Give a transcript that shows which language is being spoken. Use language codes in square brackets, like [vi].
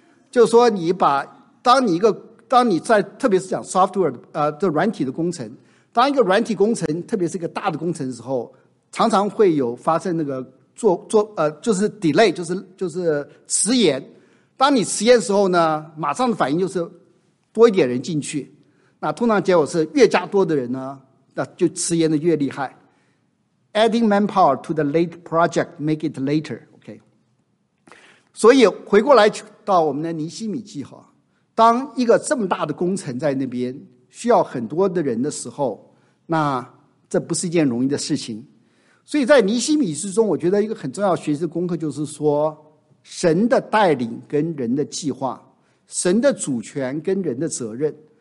[zh] 就是说你把当你在特别是讲 software 的软体的工程，当一个软体工程特别是一个大的工程的时候，常常会有发生那个就是 delay, 就是迟延。当你迟延的时候呢，马上的反应就是多一点人进去。那通常结果是越加多的人呢，那就迟延的越厉害。 [en] Adding manpower to the late project, make it later, okay. [zh] 所以回过来到我们的尼西米记哈，当一个这么大的工程在那边需要很多的人的时候，那这不是一件容易的事情。所以在尼西米之中，我觉得一个很重要学习的功课就是说，神的带领跟人的计划，神的主权跟人的责任。